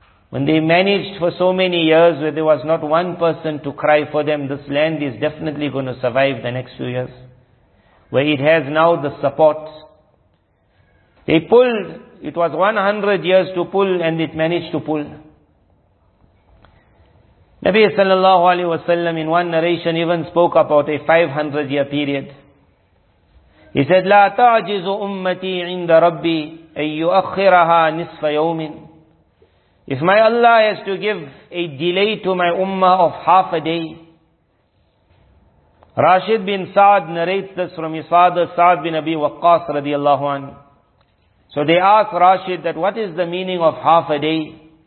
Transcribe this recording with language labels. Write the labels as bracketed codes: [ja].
[en] when they managed for so many years where there was not one person to cry for them, this land is definitely going to survive the next few years, where it has now the support. They pulled, it was 100 years to pull, and it managed to pull. Nabi sallallahu alayhi wa sallam in one narration even spoke about a 500 year period. He said, [ar] لا تعجز أمتي عند ربي أن يؤخرها نصف يوم. [en] If my Allah has to give a delay to my ummah of half a day. Rashid bin Saad narrates this from his father Saad bin Abi Waqqas radiallahu anhu. So they ask Rashid that what is the meaning of half a day?